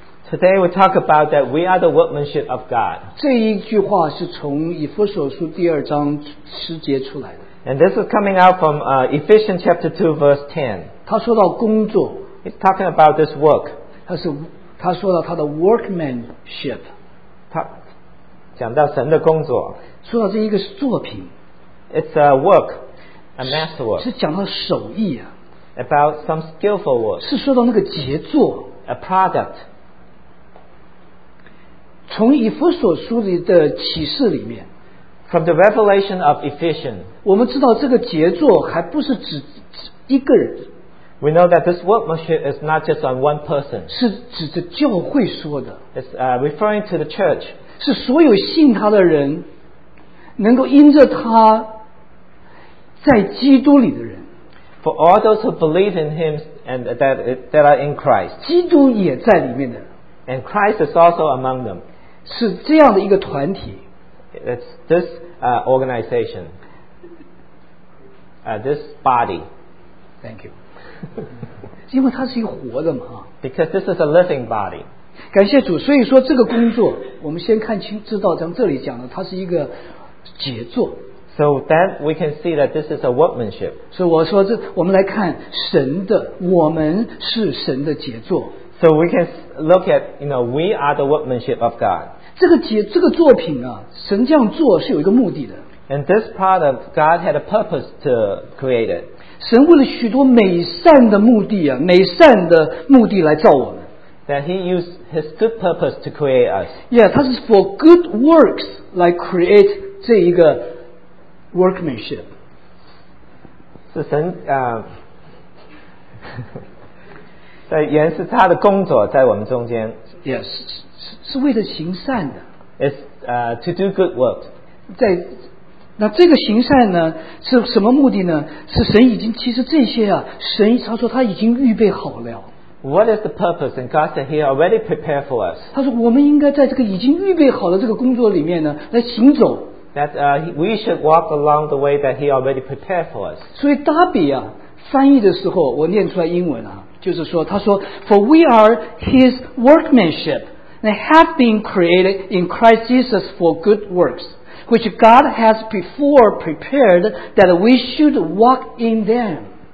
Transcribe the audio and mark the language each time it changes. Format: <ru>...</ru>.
<en>Today we talk about that we are the workmanship of God.</en> <zh>这一句话是从以弗所书第二章十节出来的。</zh> <en>And this is coming out from Ephesians chapter 2 verse 10.</en> <zh>他说到工作。</zh> <en>He's talking about this work.</en> <zh>他说到他的 workmanship。他讲到神的工作。说到这一个是作品。</zh> <en>It's a work, a masterwork.</en> <zh>是讲到手艺啊。</zh> <en>About some skillful work.</en> <zh>是说到那个杰作。</zh> <en>A product.</en> <zh>从以弗所书的启示里面</zh> <en>From the revelation of Ephesians</en> <zh>我们知道这个杰作还不是 指一个人</zh> <en>We know that this workmanship is not just on one person</en> <zh>是指着教会说的</zh> <en>It's referring to the church</en> <zh>是所有信他的人能够因着他在基督里的人</zh> <en>For all those who believe in him and that are in Christ</en> <zh>基督也在里面的</zh> <en>And Christ is also among them.</en> <zh>是这样的一个团体。</zh> <en>It's this organization. This body. Thank you.</en> <zh>因为它是一个活的嘛。</zh> <en>Because this is a living body.</en> <zh>感谢主，所以说这个工作，我们先看清，知道像这里讲的，它是一个杰作。</zh> <en>So then we can see that this is a workmanship.</en> <zh>所以我说这，我们来看神的，我们是神的杰作。</zh> <en>So we can look at, you know, we are the workmanship of God.</en> <zh>这个作品啊，神这样做是有一个目的的。</zh> <en>And this part of God had a purpose to create it.</en> <zh>神为了许多美善的目的啊，美善的目的来造我们。</zh> <en>That he used his good purpose to create us. Yeah,</en> <zh>他是</zh> <en>for good works</en> <zh>来</zh> <en>create</en> <zh>这一个</zh> <en>workmanship.</en> <zh>是神啊。在原是他的工作在我们中间 yes, 是为了行善的</zh> <en>It's to do good work</en> <zh>在那这个行善呢是什么目的呢是神已经其实这些啊神他说他已经预备好了</zh> <en>What is the purpose? And God said he already prepared for us</en> <zh>他说我们应该在这个已经预备好的这个工作里面呢来行走</zh> <en>That we should walk along the way that he already prepared for us</en> <zh>所以达比啊翻译的时候我念出来英文啊就是说他说</zh> <en>For we are his workmanship and have been created in Christ Jesus for good works which God has before prepared that we should walk in them</en>